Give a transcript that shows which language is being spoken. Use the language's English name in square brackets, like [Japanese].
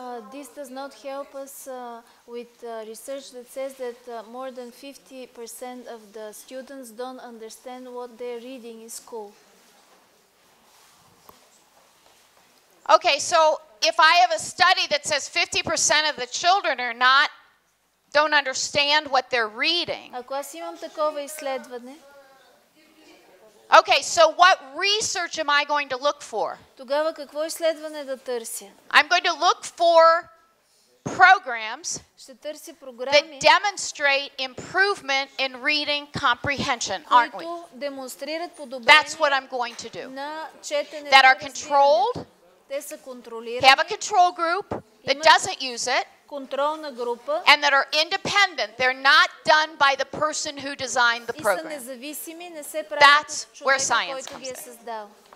[English] this does not help us with research that says that more than 50% of the students don't understand what they're reading in school. Okay, so if I have a study that says 50% of the children are not don't understand what they're reading. [Bulgarian] Ако аз имам такова изследване. [English] Okay, so what research am I going to look for? [Bulgarian] Тогава какво изследване да търся? [English] I'm going to look for programs that demonstrate improvement in reading comprehension, aren't we? [Bulgarian] Демонстрират подобрение. [English] That's what I'm going to do. That are controlled. [Bulgarian] Те са контролирани. [English] Have a control group that doesn't use it. [Bulgarian] Контролна група. [English] And that are independent. They're not done by the person who designed the program. [Bulgarian] И са независими, не се правят от човека, който ги е създал.